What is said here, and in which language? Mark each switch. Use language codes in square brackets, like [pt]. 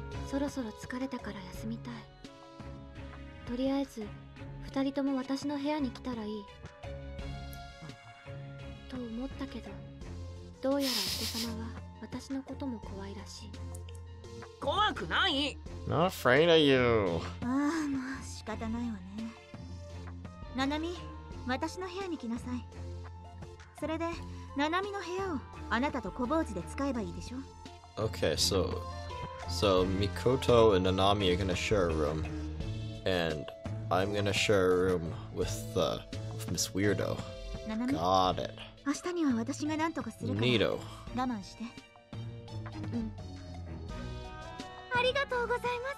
[ja] そろそろ疲れたから休みたい。とりあえず二人とも私の部屋に来たらいいと思ったけど、どうやらお子様は私のことも怖いらしい。怖くない。 [en] Not afraid of you。 [ja] ああ、まあ仕方ないわね。ナナミ、私の部屋に来なさい。それで、ナナミの部屋をあなたと小坊主で使えばいいでしょ。 [en] Okay, so Mikoto and Nanami are gonna share a room. And I'm gonna share a room with Miss Weirdo. [ja] ナナミ、 [en] Got it. [ja] 明日には私が何とかするから。 [en] Neato. [ja] 我慢して。うん。ありがとうございます。